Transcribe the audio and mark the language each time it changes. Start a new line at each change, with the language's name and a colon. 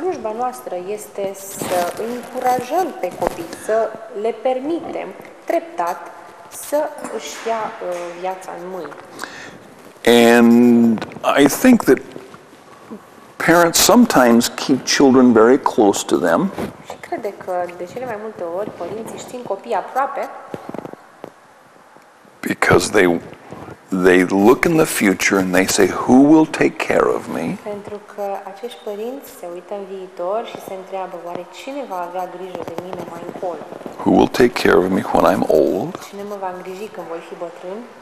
Romanian: Slujba noastră este să încurajăm pe copii, să le permitem treptat să își ia viața în mâini.
English: And I think that parents sometimes keep children very close to them.
Romanian: Și cred că de cele mai multe ori părinții țin copiii aproape.
English: Because they look in the future and they say, who will take care of me?
Romanian: Pentru că acești părinți se uită în viitor și se întreabă, oare cine va avea grijă de mine mai încolo?
English: Who will take care of me when I'm old?
Romanian: Cine mă va îngriji când voi fi bătrân?